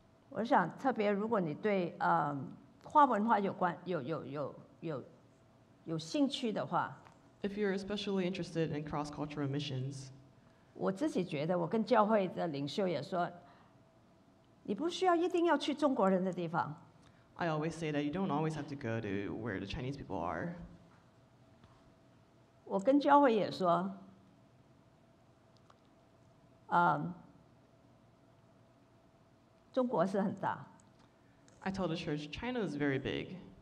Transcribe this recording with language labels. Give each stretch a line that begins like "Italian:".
Chinese: 我想特别如果你对 跨文化有关有兴趣的话
English: ，If you're especially interested in cross-cultural missions，
Chinese: 我自己觉得我跟教会的领袖也说，你不需要一定要去中国人的地方。I
English: always say that you don't always have to go to where the Chinese people are.
Chinese: 我跟教会也说， 中国是很大。
English: I told the church, China is very big.